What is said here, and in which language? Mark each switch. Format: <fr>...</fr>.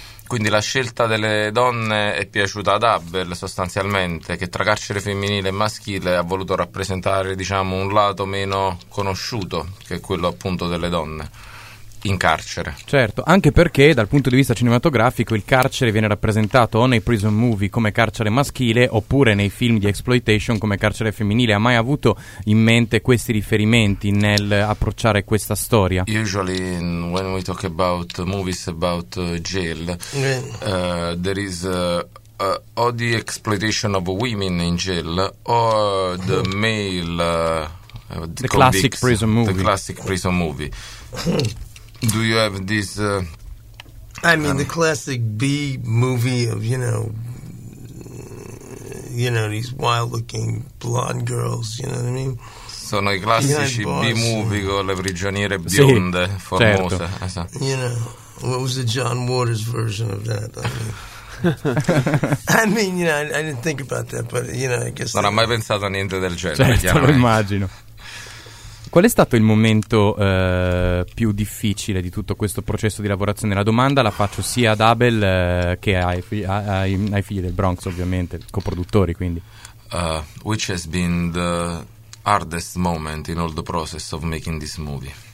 <it>Quindi la scelta delle donne è piaciuta ad Abel, sostanzialmente, che tra carcere femminile e maschile ha voluto rappresentare, diciamo, un lato meno conosciuto, che è quello appunto delle donne in carcere. Certo, anche perché dal punto di vista cinematografico il carcere viene rappresentato o nei prison movie come carcere maschile oppure nei film di exploitation come carcere femminile. Ha mai avuto in mente questi riferimenti nel approcciare questa storia?</it> <en>Usually when we talk about movies about jail, there is or the exploitation of women in jail or the male the classic prison movie. The classic prison movie. Do you have this? The classic B movie of, you know, these wild-looking blonde girls. You know what I mean?</en> <it>Sono i classici B movie con le prigioniere bionde, sì, famose. Certo.</it> <en>You know, what was the John Waters version of that? I mean, you know, I didn't think about that, but you know, I guess.</en> <it>Non ha mai pensato a niente del genere. Certo, lo immagino. Qual è stato il momento più difficile di tutto questo processo di lavorazione? La domanda la faccio sia ad Abel che ai Figli del Bronx, ovviamente, coproduttori, quindi.</it> <en>Which has been the hardest moment in all the process of making this movie?</en>